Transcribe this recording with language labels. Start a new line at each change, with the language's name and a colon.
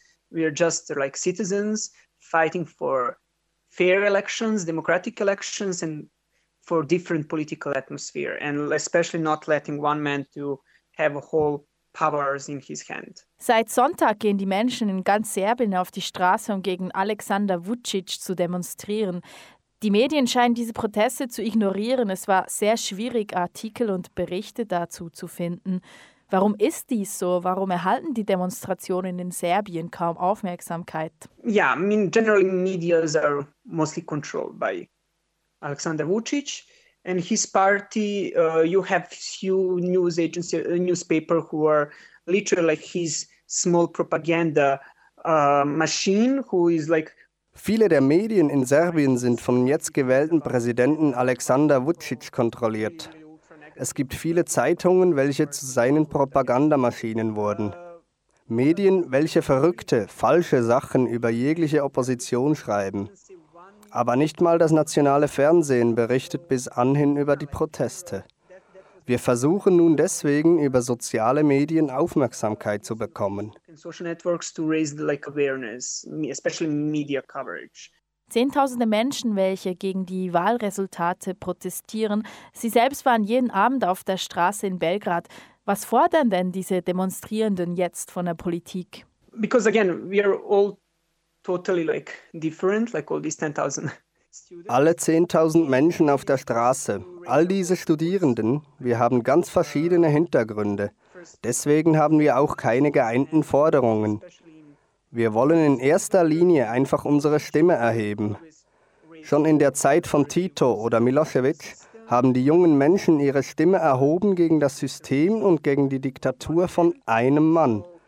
English: We are just like citizens fighting for fair elections, democratic elections and for different political atmosphere and especially not letting one man to have a whole powers in his hand.
German: Seit Sonntag gehen die Menschen in ganz Serbien auf die Straße, um gegen Aleksandar Vučić zu demonstrieren. Die Medien scheinen diese Proteste zu ignorieren. Es war sehr schwierig, Artikel und Berichte dazu zu finden. Warum ist dies so? Warum erhalten die Demonstrationen in Serbien kaum Aufmerksamkeit?
English: Yeah, I mean, generally media are mostly controlled by Aleksandar Vučić. And his party, you have few news agencies, newspaper who are literally like his small propaganda machine, who is like.
German: Viele der Medien in Serbien sind vom jetzt gewählten Präsidenten Aleksandar Vučić kontrolliert. Es gibt viele Zeitungen, welche zu seinen Propagandamaschinen wurden. Medien, welche verrückte, falsche Sachen über jegliche Opposition schreiben. Aber nicht mal das nationale Fernsehen berichtet bis anhin über die Proteste. Wir versuchen nun deswegen, über soziale Medien Aufmerksamkeit zu bekommen.
English: Social networks to raise the awareness, especially media coverage.
German: Zehntausende Menschen, welche gegen die Wahlresultate protestieren. Sie selbst waren jeden Abend auf der Straße in Belgrad. Was fordern denn diese Demonstrierenden jetzt von der Politik?
English: Because again, we are all totally like different, like all these 10,000.
German: Alle 10,000 Menschen auf der Straße, all diese Studierenden, wir haben ganz verschiedene Hintergründe. Deswegen haben wir auch keine geeinten Forderungen. Wir wollen in erster Linie einfach unsere Stimme erheben. Schon in der Zeit von Tito oder Milosevic haben die jungen Menschen ihre Stimme erhoben gegen das System und gegen die Diktatur von einem Mann.